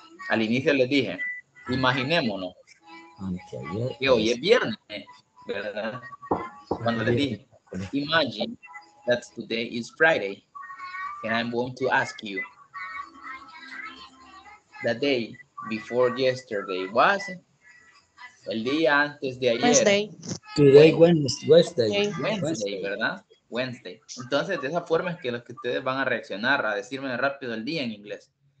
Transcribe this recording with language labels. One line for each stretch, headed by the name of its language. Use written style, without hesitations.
Spanish: Al inicio les dije, imaginémonos que hoy es viernes, ¿verdad? Cuando les dije,
English: imagine that today is Friday and I'm going to ask you, the day before yesterday was,
Spanish: el día antes de ayer.
English: Wednesday. Today, Wednesday. Wednesday. Wednesday, ¿verdad? Wednesday.
Spanish: Entonces, de esa forma es que los que ustedes van a reaccionar, a decirme rápido el día en inglés.